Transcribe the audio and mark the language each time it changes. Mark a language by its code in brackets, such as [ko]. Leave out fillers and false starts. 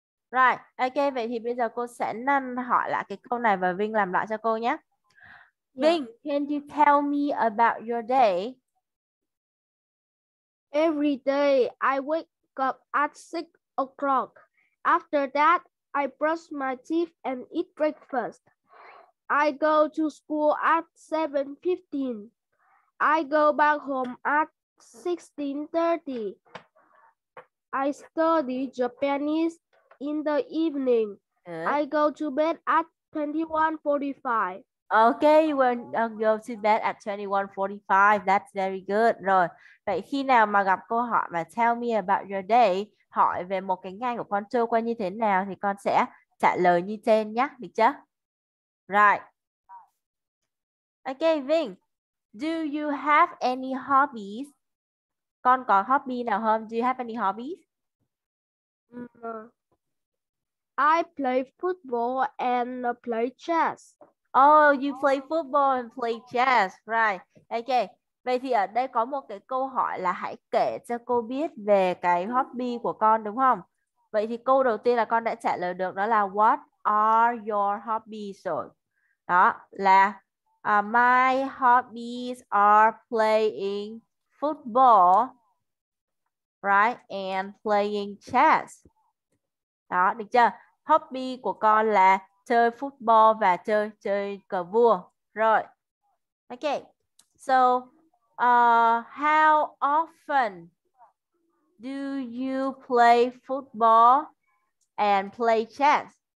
[en] Right, ok, [vi] vậy thì bây giờ cô sẽ năn hỏi lại cái câu này và Vinh làm lại cho cô nhé. [en] Yeah. Vinh, can you tell me about your day? Every day, I wake up at 6 o'clock. After that, I brush my teeth and eat breakfast. I go to school at 7:15. I go back home at 16:30. I study Japanese. In the evening, good. I go to bed at 21:45. Okay, you will go to bed at 21:45. That's very good. [vi] Rồi, vậy khi nào mà gặp câu hỏi mà [en] tell me about your day, [vi] hỏi về một cái ngày của con trôi qua như thế nào thì con sẽ trả lời như trên nhé, được chưa? [en] Right. Okay, Vinh, do you have any hobbies? [vi] Con có hobby nào không? [en] Do you have any hobbies? I play football and play chess. Oh, you play football and play chess, right? Okay. [vi] Vậy thì ở đây có một cái câu hỏi là hãy kể cho cô biết về cái hobby của con đúng không? Vậy thì câu đầu tiên là con đã trả lời được đó là [en] what are your hobbies [vi] rồi. Đó là [en] my hobbies are playing football, right? And playing chess. [vi] Đó, được chưa? Hobby của con là chơi football và chơi cờ vua. Rồi. Okay. [en] So, how often do you play football and play chess?